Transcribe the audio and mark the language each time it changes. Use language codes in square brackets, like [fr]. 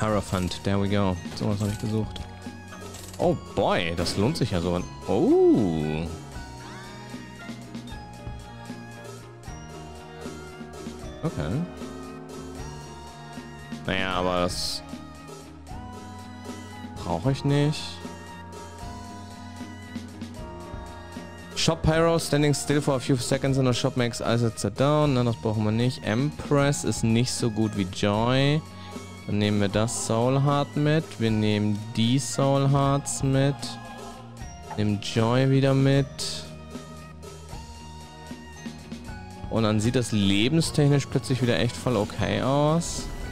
[de] Hierophant, [en] there we go. [de] So was habe ich gesucht. Oh boy, das lohnt sich ja so. Oh. Okay. Naja, aber das brauche ich nicht. [en] Shop Pyro, standing still for a few seconds in the shop makes ice set down. [de] Nein, das brauchen wir nicht. Empress ist nicht so gut wie Joy. Dann nehmen wir das Soul Heart mit. Wir nehmen die Soul Hearts mit. Nehmen Joy wieder mit. Und dann sieht das lebenstechnisch plötzlich wieder echt voll okay aus.